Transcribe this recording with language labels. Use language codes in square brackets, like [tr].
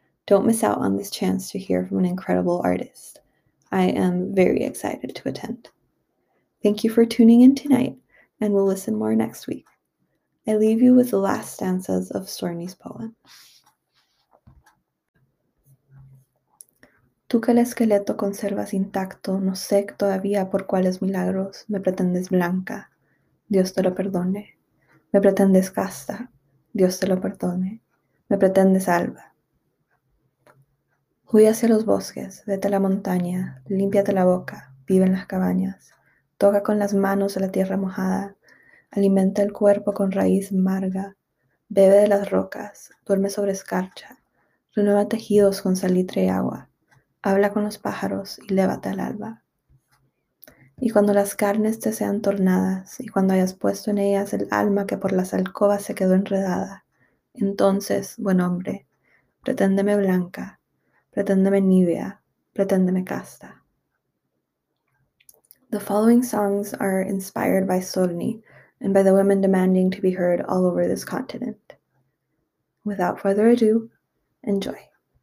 [en] Don't miss out on this chance to hear from an incredible artist. I am very excited to attend. Thank you for tuning in tonight, and we'll listen more next week. I leave you with the last stanzas of Storni's poem. [es] Tú que el esqueleto conservas intacto, no sé todavía por cuáles milagros me pretendes blanca. Dios te lo perdone. Me pretendes casta. Dios te lo perdone. Me pretendes alba. Huye hacia los bosques, vete a la montaña, límpiate la boca, vive en las cabañas. Toca con las manos la tierra mojada, alimenta el cuerpo con raíz amarga, bebe de las rocas, duerme sobre escarcha, renueva tejidos con salitre y agua, habla con los pájaros y lévate al alba. Y cuando las carnes te sean tornadas, y cuando hayas puesto en ellas el alma que por las alcobas se quedó enredada, entonces, buen hombre, preténdeme blanca, preténdeme nívea, preténdeme casta. [en] The following songs are inspired by Storni and by the women demanding to be heard all over this continent. Without further ado, enjoy.